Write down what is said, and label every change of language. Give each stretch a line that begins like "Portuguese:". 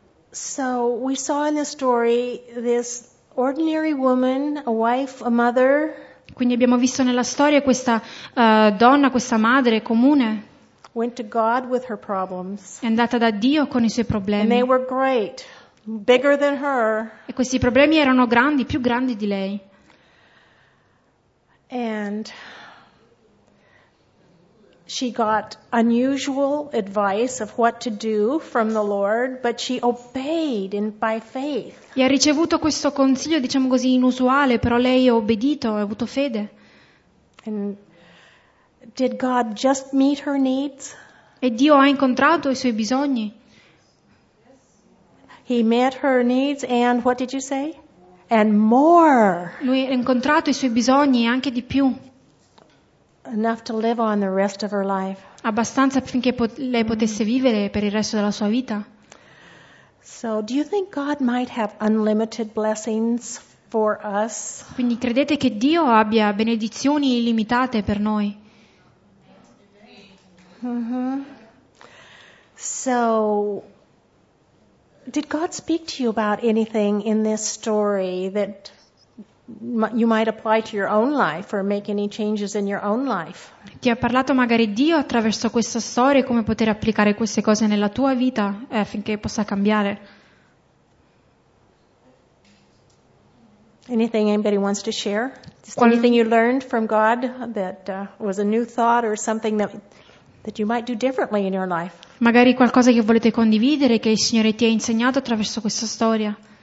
English: So we saw in the story this ordinary woman, a wife, a mother.
Italian: Quindi abbiamo visto nella storia questa donna, questa madre comune.
English: Went to God with her problems.
Italian: È andata da Dio con i suoi problemi.
English: And they were great, bigger than her.
Italian: E questi problemi erano grandi, più grandi di lei.
English: And she got unusual advice of what to do from the Lord, but she obeyed in by faith.
Italian: E ha ricevuto questo consiglio, diciamo così, inusuale, però lei ha obbedito, ha avuto fede.
English: And did God just meet her needs?
Italian: E Dio ha incontrato i suoi bisogni?
English: He met her needs and what did you say? And more.
Italian: Lui ha incontrato i suoi bisogni e anche di più.
English: Enough to live on the rest of her life.
Italian: Abbastanza affinché lei potesse vivere per il resto della sua vita.
English: So, do you think God might have unlimited blessings for us?
Italian: Quindi credete che Dio abbia benedizioni illimitate per noi? Mm-hmm.
English: So, did God speak to you about anything in this story that you might apply to your own life or make any changes in your own life?
Italian: Ti ha parlato magari Dio attraverso questa storia come poter applicare queste cose nella tua vita affinché possa cambiare?
English: Anything anybody wants to share? Anything you learned from God that was a new thought or something that you might do differently in your life.
Italian: Magari qualcosa che volete condividere che il Signore ti ha insegnato attraverso questa storia.